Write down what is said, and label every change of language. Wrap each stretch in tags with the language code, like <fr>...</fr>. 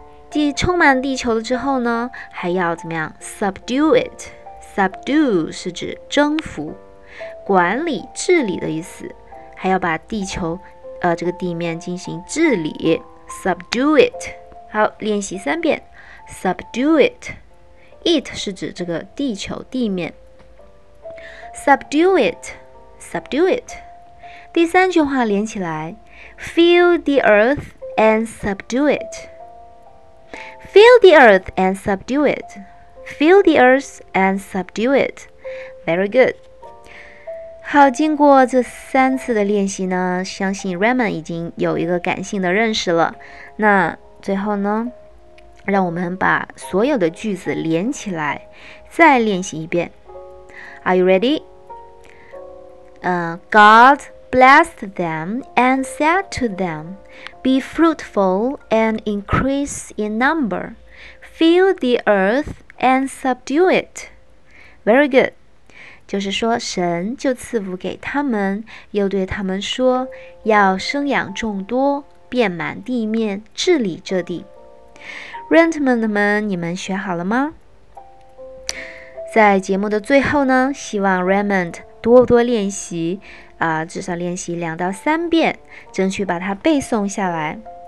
<zh>地充满地球了之后呢，还要怎么样？</zh> <en>Subdue it，</en> <zh>Subdue 是指征服，管理治理的意思，还要把地球、这个地面进行治理， Subdue it。好，练习三遍， Subdue it， It 是指这个地球地面，</zh> <en>Subdue it, subdue it。</en> <zh>第三句话连起来，</zh> <en>Fill the earth and subdue it， Fill the earth and subdue it， Fill the earth and subdue it， very good。</en> <zh>好，经过这三次的练习呢，相信 Raymond 已经有一个感性的认识了。那最后呢，让我们把所有的句子连起来再练习一遍。</zh> <en>Are you ready? God blessed them and said to them, Be fruitful and increase in number. Fill the earth and subdue it. Very good.</en> <zh>就是说神就赐福给他们，又对他们说，要生养众多，遍满地面，治理这地。 Rentment 们，你们学好了吗？在节目的最后呢，希望 Raymond 多多练习、至少练习两到三遍，争取把它背诵下来。</zh>